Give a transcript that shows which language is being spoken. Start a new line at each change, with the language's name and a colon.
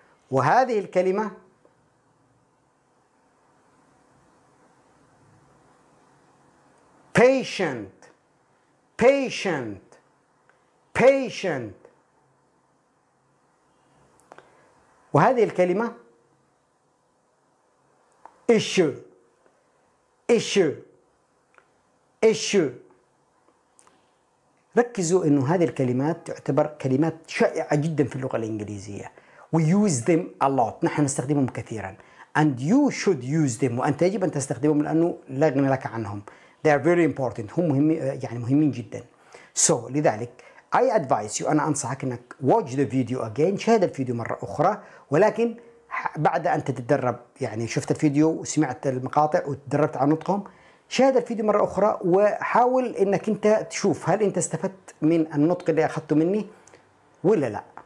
Arabic: وهذه الكلمة
English: patient، patient، patient.
Arabic: وهذه الكلمة
English: issue، issue، issue.
Arabic: ركزوا إنه هذه الكلمات تعتبر كلمات شائعة جدا في اللغة الإنجليزية.
English: We use them a lot،
Arabic: نحن نستخدمهم كثيرا.
English: And you should use them،
Arabic: وأنت يجب أن تستخدمهم لأنه لا غنى لك عنهم.
English: They are very important،
Arabic: هم مهم يعني مهمين جدا. So لذلك
English: I advise you،
Arabic: أنا أنصحك أنك
English: watch the video again،
Arabic: شاهد الفيديو مرة أخرى، ولكن بعد أن تتدرب يعني شفت الفيديو وسمعت المقاطع وتدربت على نطقهم، شاهد الفيديو مرة أخرى وحاول أنك أنت تشوف هل أنت استفدت من النطق اللي أخذته مني ولا لا.